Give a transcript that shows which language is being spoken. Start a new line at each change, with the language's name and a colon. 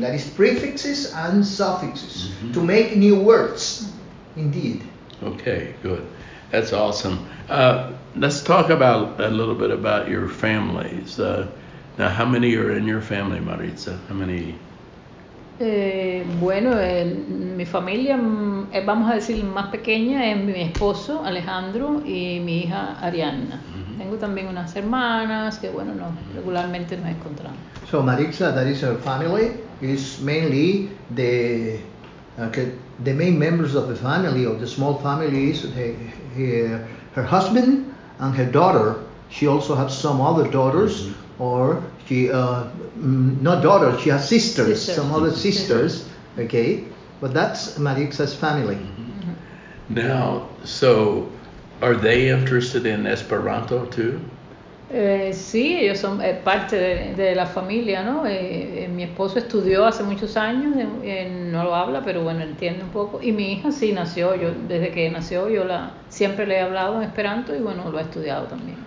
English: That is prefixes and suffixes to make new words, indeed. Okay, good. That's awesome. Let's talk about a little bit about your families. Now, how many are in your family, Maritza? How many?
Spanish: Mi familia, vamos a decir más pequeña, es mi esposo Alejandro y mi hija Arianna. Tengo también unas hermanas que regularmente nos encontramos.
English: So Maritza, that is her family, is mainly the main members of the family, of the small family, is her husband and her daughter. She also has some other daughters, or she, not daughters, she has sisters, some other sisters, okay? But that's Maritza's family. Mm-hmm. Now, so are they interested in Esperanto too?
Spanish: Sí, ellos son parte de la familia, ¿no? Mi esposo estudió hace muchos años, no lo habla, pero entiende un poco. Y mi hija sí nació, desde que nació siempre le he hablado en Esperanto y lo ha estudiado también.